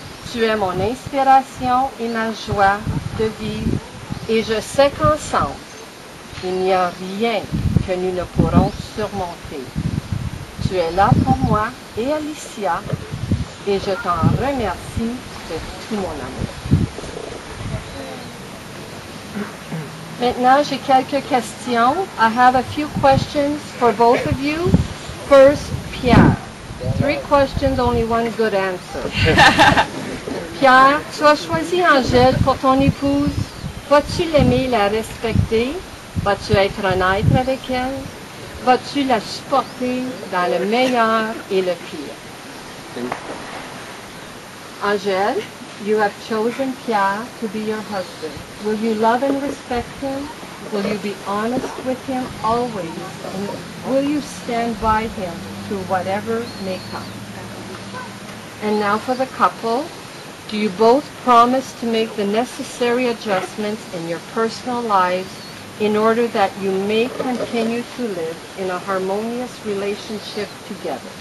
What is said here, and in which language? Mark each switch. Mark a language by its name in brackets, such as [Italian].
[French] Tu es mon inspiration et ma joie de vivre et je sais qu'ensemble, il n'y a rien que nous ne pourrons surmonter. Tu es là pour moi et Alicia et je t'en remercie de tout mon amour. Maintenant, j'ai quelques questions. [English] I have a few questions for both of you. First, Pierre. Three questions, only one good answer. [French] Pierre, tu as choisi Angèle pour ton épouse. Vas-tu l'aimer, la respecter? Vas-tu être honnête avec elle? Vas-tu la supporter dans le meilleur et le pire? [English] Angèle, you have chosen Pierre to be your husband. Will you love and respect him? Will you be honest with him always? And will you stand by him through whatever may come? And now for the couple. Do you both promise to make the necessary adjustments in your personal lives in order that you may continue to live in a harmonious relationship together?